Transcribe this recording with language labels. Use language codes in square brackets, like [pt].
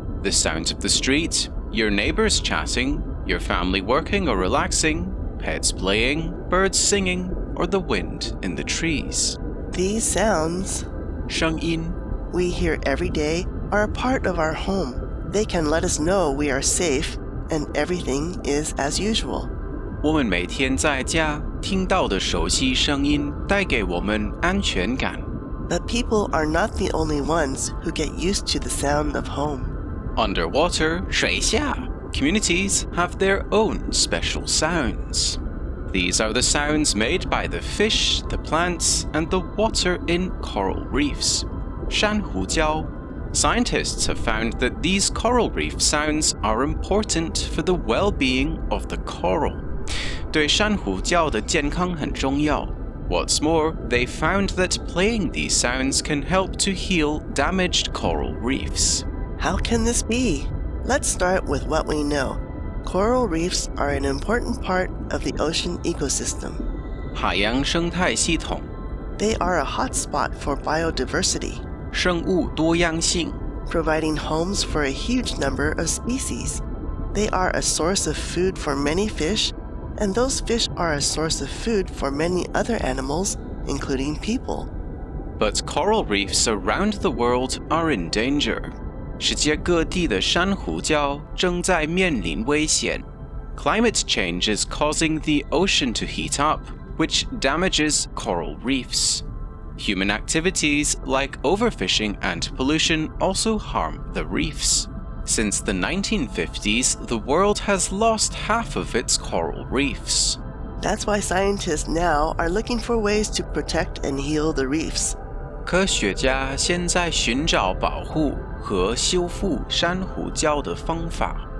[en] The sounds of the street, your neighbors chatting, your family working or relaxing, pets playing, birds singing, or the wind in the trees. These sounds, [zh] 声音, [en] we hear every day are a part of our home. They can let us know we are safe and everything is as usual. [zh] 我们每天在家听到的熟悉声音带给我们安全感。 [en] But people are not the only ones who get used to the sound of home. Underwater, [zh] 水下, [en] communities have their own special sounds. These are the sounds made by the fish, the plants, and the water in coral reefs. [zh] 珊瑚礁. [en] Scientists have found that these coral reef sounds are important for the well-being of the coral. [zh] 对珊瑚礁的健康很重要. [en] What's more, they found that playing these sounds can help to heal damaged coral reefs. How can this be? Let's start with what we know. Coral reefs are an important part of the ocean ecosystem. [zh] 海洋生态系统。 [en] They are a hotspot for biodiversity. [zh] 生物多样性。 [en] Providing homes for a huge number of species. They are a source of food for many fish, and those fish are a source of food for many other animals, including people. But coral reefs around the world are in danger. [zh] 世界各地的珊瑚礁正在面临危险。 [en] Climate change is causing the ocean to heat up, which damages coral reefs. Human activities like overfishing and pollution also harm the reefs. Since the 1950s, the world has lost half of its coral reefs. That's why scientists now are looking for ways to protect and heal the reefs. [zh] 科学家现在寻找保护和修复珊瑚礁的方法。